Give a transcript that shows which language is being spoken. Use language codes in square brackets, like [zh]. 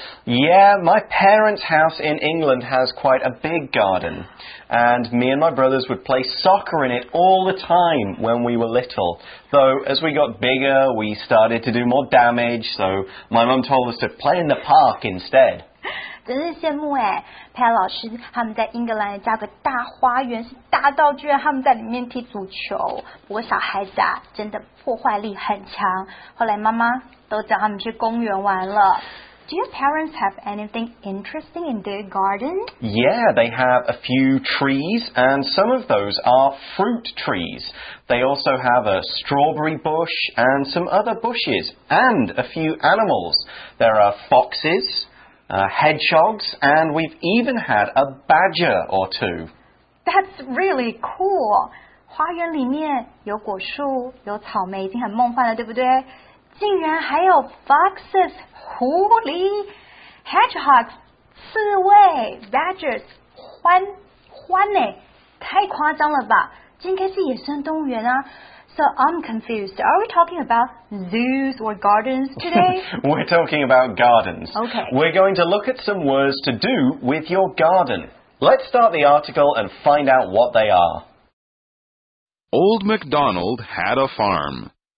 [en] Yeah, my parents' house in England has quite a big garden. And me and my brothers would play soccer in it all the time when we were little. Though, as we got bigger, we started to do more damage, so my mum told us to play in the park instead. [zh] 真是羡慕哎，佩老师他们在英格兰加个大花园是大到居然他们在里面踢足球。不过小孩子啊，真的破坏力很强。后来妈妈都叫他们去公园玩了。 [en] Do your parents have anything interesting in their garden? Yeah, they have a few trees, and some of those are fruit trees. They also have a strawberry bush and some other bushes, and a few animals. There are foxes. Hedgehogs, and we've even had a badger or two. That's really cool. [zh] 花园里面有果树，有草莓，已经很梦幻了，对不对？竟然还有 foxes, 狐狸 ,hedgehogs, 刺猬 ,badgers, 獾欸，太夸张了吧，这应该是野生动物园啊。 [en] So I'm confused. Are we talking about zoos or gardens today? We're talking about gardens. Okay. We're going to look at some words to do with your garden. Let's start the article and find out what they are. Old MacDonald had a farm.